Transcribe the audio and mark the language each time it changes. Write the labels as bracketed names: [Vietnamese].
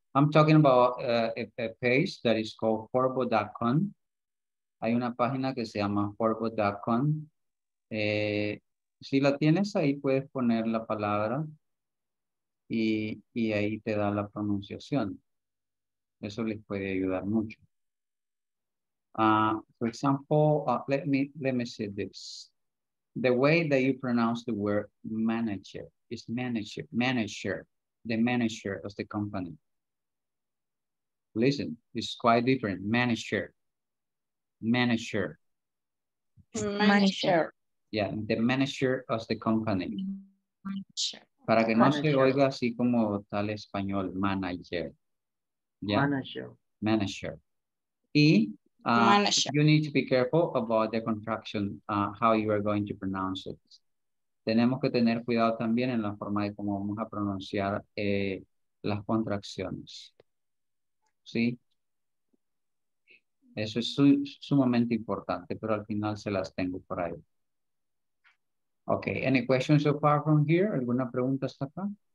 [English] I'm talking about a page that is called forbo.com. [Spanish] Hay una página que se llama forbo.com. Si la tienes ahí, puedes poner la palabra y ahí te da la pronunciación. Eso les puede ayudar mucho. [English] For example, let me say this. The way that you pronounce the word manager is manager, the manager of the company. Listen, it's quite different. Manager. Manager. Yeah, the manager of the company. [Spanish] Para que no se oiga así como tal español, manager. [English] Yeah? Manager. Y you need to be careful about the contraction, how you are going to pronounce it. [Spanish] Tenemos que tener cuidado también en la forma de cómo vamos a pronunciar las contracciones. ¿Sí? Eso es sumamente importante, pero al final se las tengo por ahí. [English] Okay, any questions so far from here? [Spanish] ¿Alguna pregunta hasta acá?